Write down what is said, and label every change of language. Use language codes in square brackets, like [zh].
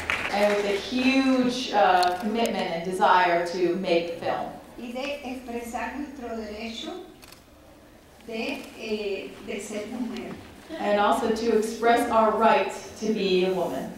[en] And with a huge commitment and desire to make film. [es] Y de expresar nuestro derecho de ser mujer. [en] And also to express our right to be a woman.